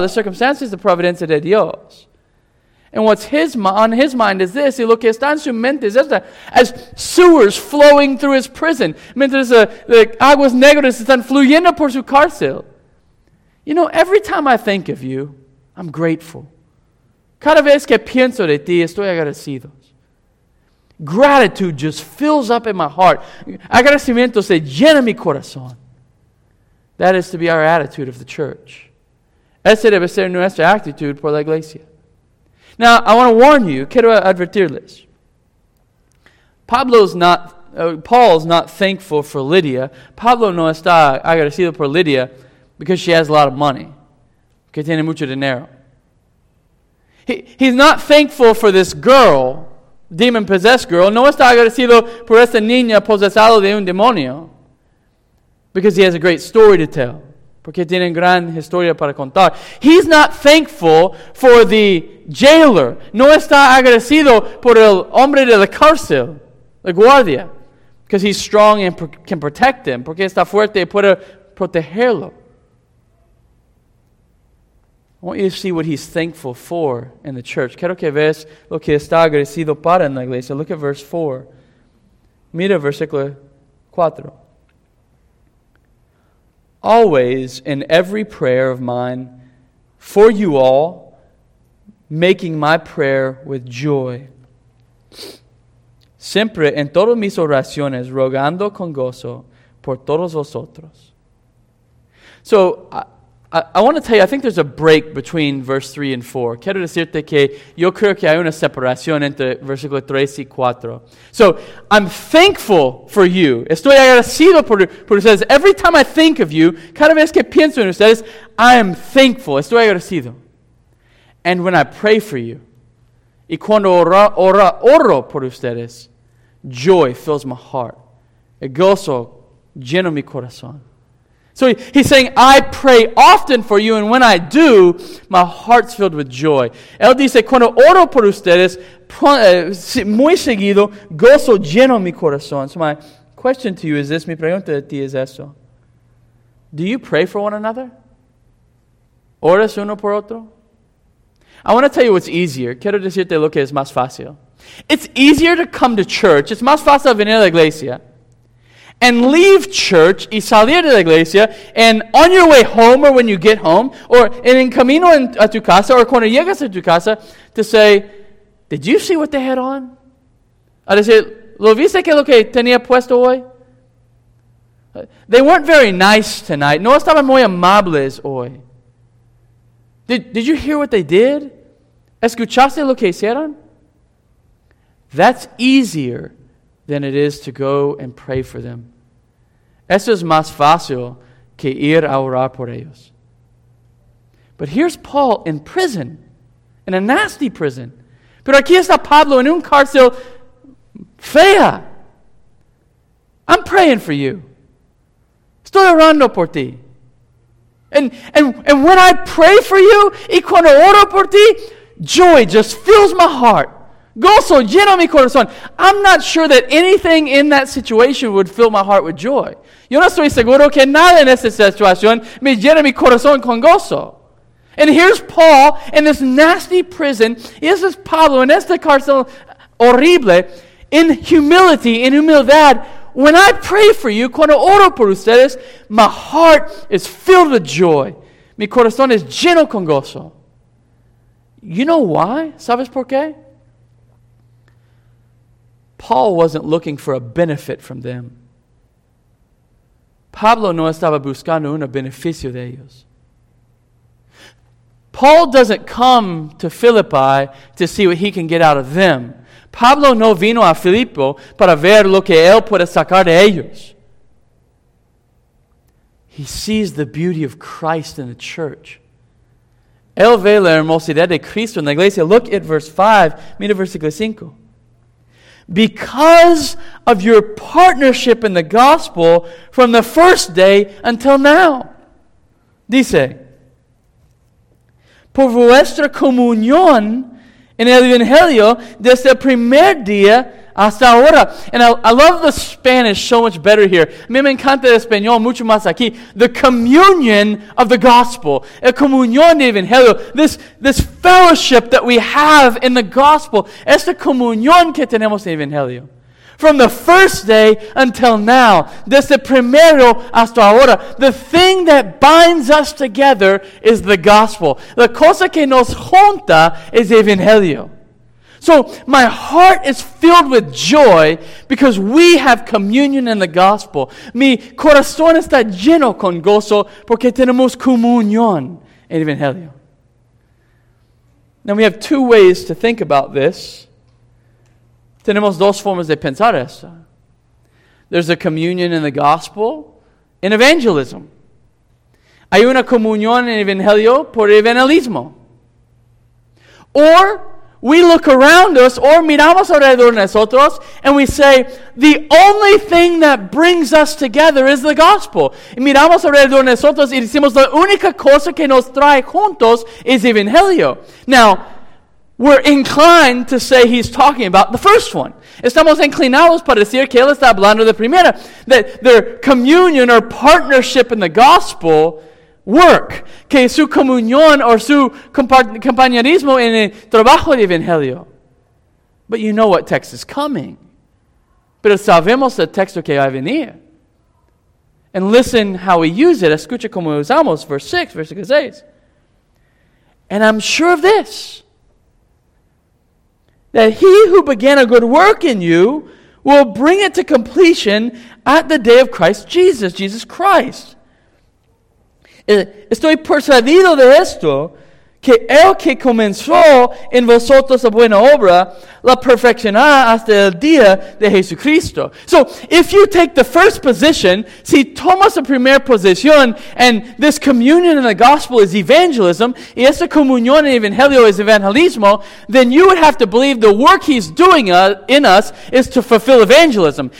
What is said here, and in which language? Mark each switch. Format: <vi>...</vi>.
<en>The circumstance is the</en> <es>providencia de Dios.</es> <en>And what's on his mind is this,</en> <es>y lo que está en su mente es esta,</es> <en>as sewers flowing through his prison,</en> <es>mientras the aguas negras están fluyendo por su cárcel.</es> <en>You know, every time I think of you, I'm grateful.</en> <es>Cada vez que pienso de ti, estoy agradecido.</es> <en>Gratitude just fills up in my heart.</en> <es>Agradecimiento se llena mi corazón.</es> <en>That is to be our attitude of the church.</en> <es>Ese debe ser nuestra actitud por la iglesia.</es> <en>Now, I want to warn you,</en> <es>quiero advertirles.</es> <en>Paul's not thankful for Lydia.</en> <es>Pablo no está agradecido por Lydia</es> <en>because she has a lot of money.</en> <es>Que tiene mucho dinero.</es> <en>He's not thankful for this girl, demon-possessed girl.</en> <es>No está agradecido por esta niña posesada de un demonio</es> <en>because he has a great story to tell.</en> <es>Porque tienen gran historia para contar.</es> <en>He's not thankful for the jailer.</en> <es>No está agradecido por el hombre de la cárcel, la guardia,</es> <en>because he's strong and can protect him.</en> <es>Porque está fuerte y puede protegerlo.</es> <en>I want you to see what he's thankful for in the church.</en> <es>Quiero que veas lo que está agradecido para en la iglesia.</es> <en>Look at verse 4.</en> <es>Mira versículo 4.</es> <en>Always in every prayer of mine for you all, making my prayer with joy.</en> <es>Siempre en todas mis oraciones, rogando con gozo por todos vosotros.</es> <en>So, I want to tell you, I think there's a break between verse 3 and 4.</en> <es>Quiero decirte que yo creo que hay una separación entre versículo 3 y 4.</es> <en>So, I'm thankful for you.</en> <es>Estoy agradecido por ustedes.</es> <en>Every time I think of you,</en> <es>cada vez que pienso en ustedes,</es> <en>I am thankful.</en> <es>Estoy agradecido.</es> <en>And when I pray for you,</en> <es>y cuando oro por ustedes,</es> <en>joy fills my heart.</en> <es>El gozo lleno mi corazón.</es> <en>So he's saying, I pray often for you, and when I do, my heart's filled with joy.</en> <es>Él dice, cuando oro por ustedes, muy seguido, gozo lleno mi corazón.</es> <en>So my question to you is this,</en> <es>mi pregunta a ti es esto.</es> <en>Do you pray for one another?</en> <es>¿Oras uno por otro?</es> <en>I want to tell you what's easier.</en> <es>Quiero decirte lo que es más fácil.</es> <en>It's easier to come to church.</en> <es>It's más fácil venir a la iglesia.</es> <en>And leave church</en> <es>y salir de la iglesia,</es> <en>and on your way home or when you get home, or</en> <es>en camino a tu casa,</es> <en>or</en> <es>cuando llegas a tu casa,</es> <en>to say, did you see what they had on?</en> <es>A decir, ¿lo viste que lo que tenía puesto hoy?</es> <en>They weren't very nice tonight.</en> <es>No estaban muy amables hoy.</es> <en>Did you hear what they did?</en> <es>¿Escuchaste lo que hicieron?</es> <en>That's easier than it is to go and pray for them.</en> <es>Eso es más fácil que ir a orar por ellos.</es> <en>But here's Paul in prison, in a nasty prison.</en> <es>Pero aquí está Pablo en un cárcel fea.</es> <en>I'm praying for you.</en> <es>Estoy orando por ti.</es> <en>And when I pray for you,</en> <es>y cuando oro por ti,</es> <en>joy just fills my heart.</en> <es>Gozo lleno mi corazón.</es> <en>I'm not sure that anything in that situation would fill my heart with joy.</en> <es>Yo no estoy seguro que nada en esa situación me llena mi corazón con gozo.</es> <en>And here's Paul in this nasty prison. This is Pablo</en> <es>en esta cárcel horrible.</es> <en>In humility, in humildad, when I pray for you,</en> <es>cuando oro por ustedes,</es> <en>my heart is filled with joy.</en> <es>Mi corazón es lleno con gozo.</es> <en>You know why?</en> <es>¿Sabes por qué?</es> <en>Paul wasn't looking for a benefit from them.</en> <es>Pablo no estaba buscando un beneficio de ellos.</es> <en>Paul doesn't come to Philippi to see what he can get out of them.</en> <es>Pablo no vino a Filipo para ver lo que él puede sacar de ellos.</es> <en>He sees the beauty of Christ in the church.</en> <es>Él ve la hermosidad de Cristo en la iglesia.</es> <en>Look at verse 5.</en> <es>Mira versículo 5.</es> <en>Because of your partnership in the gospel from the first day until now.</en> <es>Dice, por vuestra comunión en el Evangelio desde el primer día hasta ahora.</es> <en>And I love the Spanish so much better here.</en> <es>A mí me encanta el español mucho más aquí.</es> <en>The communion of the gospel.</en> <es>El comunión del Evangelio.</es> <en>This fellowship that we have in the gospel.</en> <es>Esta comunión que tenemos en el Evangelio.</es> <en>From the first day until now.</en> <es>Desde primero hasta ahora.</es> <en>The thing that binds us together is the gospel.</en> <es>La cosa que nos junta es el Evangelio.</es> <en>So my heart is filled with joy because we have communion in the gospel.</en> <es>Mi corazón está lleno con gozo porque tenemos comunión en el Evangelio.</es> <en>Now we have two ways to think about this.</en> <es>Tenemos dos formas de pensar esto.</es> <en>There's a communion in the gospel in evangelism.</en> <es>Hay una comunión en el Evangelio por el evangelismo.</es> <en>Or we look around us or</en> <es>miramos alrededor de nosotros</es> <en>and we say, the only thing that brings us together is the gospel.</en> <es>Y miramos alrededor de nosotros y decimos, la única cosa que nos trae juntos es el Evangelio.</es> <en>Now, we're inclined to say he's talking about the first one.</en> <es>Estamos inclinados para decir que él está hablando de la primera.</es> <en>That their communion or partnership in the gospel work.</en> <es>Que su comunión or su compañerismo en el trabajo del Evangelio.</es> <en>But you know what text is coming.</en> <es>Pero sabemos el texto que va a venir.</es> <en>And listen how we use it.</en> <es>Escucha cómo usamos.</es> <en>Verse 6,</en> <es>versículo 6.</es> <en>And I'm sure of this. That he who began a good work in you will bring it to completion at the day of Christ Jesus. Jesus Christ.</en> <es>Estoy persuadido de esto, que el que comenzó en vosotros la buena obra, la perfeccionará hasta el día de Jesucristo.</es> <en>So, if you take the first position,</en> <es>si tomas la primera posición,</es> <en>and this communion in the gospel is evangelism,</en> <es>y esta comunión en el Evangelio es evangelismo,</es> <en>then you would have to believe the work he's doing in us is to fulfill evangelism.</en>